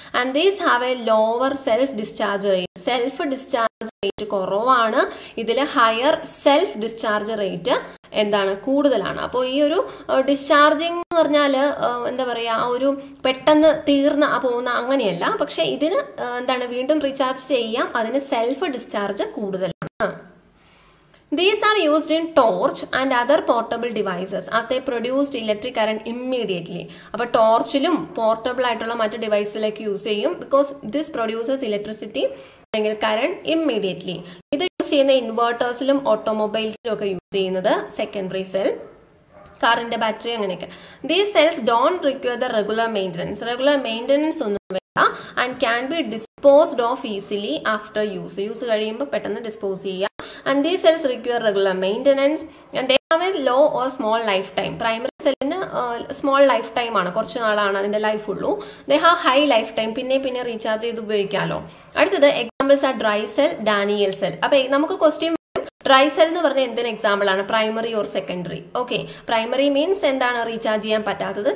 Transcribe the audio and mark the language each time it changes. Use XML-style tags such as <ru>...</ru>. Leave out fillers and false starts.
<en>And these have a lower self discharge rate.</en> <ml>Self discharge rate കുറവാണ്, ഇതിൽ higher self discharge rate എന്താണ്? കൂടുതലാണ്. അപ്പോൾ ഈ ഒരു ഡിസ്ചാർജിങ് എന്ന് പറഞ്ഞാൽ എന്താ പറയുക, ആ ഒരു പെട്ടെന്ന് തീർന്ന പോകുന്ന അങ്ങനെയല്ല. പക്ഷെ ഇതിന് എന്താണ്, വീണ്ടും റീചാർജ് ചെയ്യാം, അതിന് സെൽഫ് ഡിസ്ചാർജ് കൂടുതലാണ്.</ml> <en>These are used in torch and other portable devices as they produce electric current immediately.</en> <ml>അപ്പൊ ടോർച്ചിലും പോർട്ടബിൾ ആയിട്ടുള്ള മറ്റു ഡിവൈസിലേക്ക് യൂസ് ചെയ്യും.</ml> <en>Because this produces electricity അല്ലെങ്കിൽ current immediately.</en> <ml>ഇത് യൂസ് ചെയ്യുന്ന ഇൻവേർട്ടേഴ്സിലും ഓട്ടോമൊബൈൽസിലും ഒക്കെ യൂസ് ചെയ്യുന്നത് സെക്കൻഡറി സെൽ, കാറിന്റെ ബാറ്ററി അങ്ങനെയൊക്കെ.</ml> <en>These cells don't require the regular maintenance.</en> <ml>Regular maintenance ഒന്നും വേണ്ട.</ml> <en>And can be disposed of easily after use.</en> <ml>Use കഴിയുമ്പോൾ പെട്ടെന്ന് ഡിസ്പോസ് ചെയ്യുക.</ml> <en>And these cells require regular maintenance and they have a low or small lifetime. Primary cell in a small lifetime</en> <ml>ആണ്, കുറച്ച് നാളാണ് അതിന്റെ life ഉള്ളൂ.</ml> <en>they have high life time,</en> <ml>പിന്നെ പിന്നെ recharge ചെയ്ത് ഉപയോഗിക്കാമല്ലോ. അടുത്തത് എക്സാമ്പിൾസ് ആ ഡ്രൈ സെൽ, ഡാനിയൽ സെൽ. അപ്പൊ നമുക്ക് ക്വസ്റ്റ്യൻ വരും, ഡ്രൈ സെൽ എന്ന് പറഞ്ഞാൽ എന്തിന് എക്സാമ്പിൾ ആണ്? Primary or secondary? Okay, primary means എന്താണ്? റീചാർജ് ചെയ്യാൻ പറ്റാത്തത്.</ml>